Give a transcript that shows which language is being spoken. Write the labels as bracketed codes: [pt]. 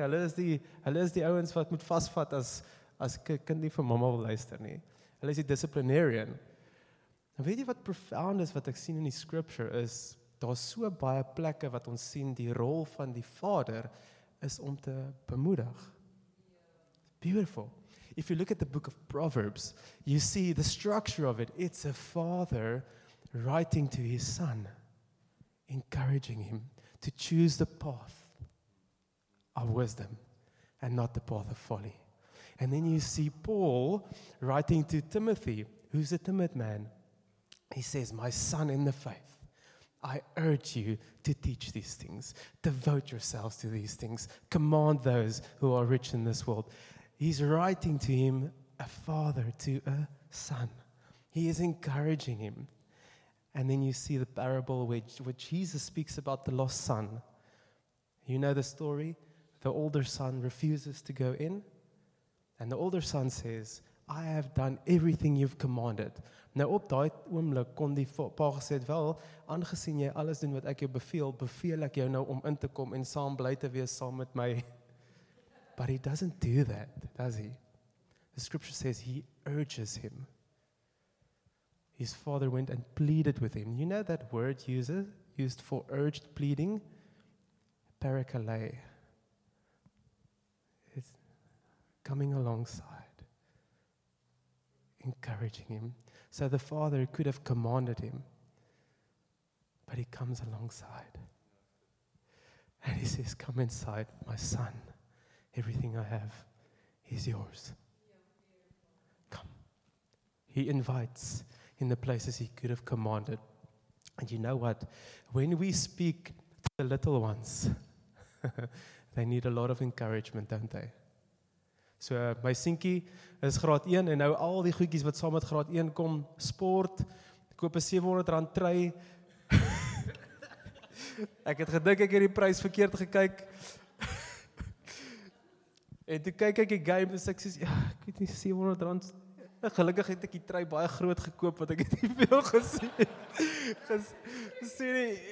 [af] Hulle is die ouens wat moet vasvat as kind nie vir mamma wil luister nie. Hulle is die disciplinarian. Nou weet jy wat profound is wat ek sien in die scripture is, daar's so baie plekke wat ons sien die rol van die vader is om te bemoedig. [en] Beautiful. If you look at the book of Proverbs, you see the structure of it. It's a father writing to his son, encouraging him to choose the path of wisdom and not the path of folly. And then you see Paul writing to Timothy, who's a timid man. He says, my son in the faith, I urge you to teach these things. Devote yourselves to these things. Command those who are rich in this world. He's writing to him, a father to a son. He is encouraging him. And then you see the parable which Jesus speaks about the lost son. You know the story? The older son refuses to go in. And the older son says, I have done everything you've commanded. [af] Nou op daai oomblik kon die pa gesê het, wel, aangesien jy alles doen wat ek jou beveel, beveel ek jou nou om in te kom en saam bly te wees saam met my. [en] But he doesn't do that, does he? The scripture says he urges him. His father went and pleaded with him. You know that word used for urged pleading? Parakalei. Coming alongside, encouraging him. So the father could have commanded him, but he comes alongside. And he says, come inside, my son. Everything I have is yours. Come. He invites in the places he could have commanded. And you know what? When we speak to the little ones, they need a lot of encouragement, don't they? [af] So my seentjie is graad 1 en nou al die goedjies wat saam met graad 1 kom, sport, koop 'n R700 trui. Ek het gedink ek het die prys verkeerd gekyk. En toe kyk ek die game, en ek sê, ja, ek weet nie, R700, gelukkig het ek die trui baie groot gekoop, wat ek het nie veel gesê.